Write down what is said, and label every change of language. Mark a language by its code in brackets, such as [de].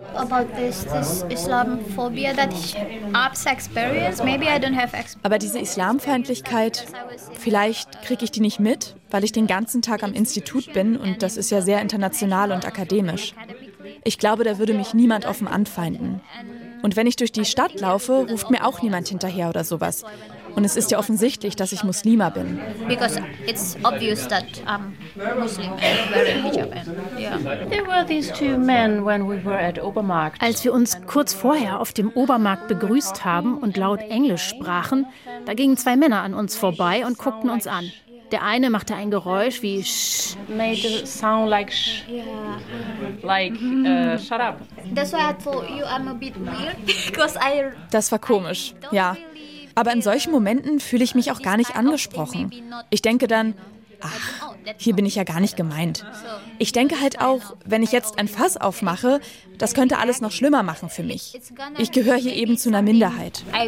[de] Aber diese Islamfeindlichkeit, vielleicht kriege ich die nicht mit, weil ich den ganzen Tag am Institut bin und das ist ja sehr international und akademisch. Ich glaube, da würde mich niemand offen anfeinden. Und wenn ich durch die Stadt laufe, ruft mir auch niemand hinterher oder sowas. Und es ist ja offensichtlich, dass ich Muslima bin. [en] Because it's obvious that Muslim wearing hijab. There were these two men when we were at Obermarkt. [de] Als wir uns kurz vorher auf dem Obermarkt begrüßt haben und laut Englisch sprachen, da gingen 2 Männer an uns vorbei und guckten uns an. Der eine machte ein Geräusch wie shh. [en] Made a sound like shh. Yeah. Shut up. That's why I told you I'm a bit weird. Because I. [de] Das war komisch, ja. Aber in solchen Momenten fühle ich mich auch gar nicht angesprochen. Ich denke dann, ach, hier bin ich ja gar nicht gemeint. Ich denke halt auch, wenn ich jetzt ein Fass aufmache, das könnte alles noch schlimmer machen für mich. Ich gehöre hier eben zu einer Minderheit.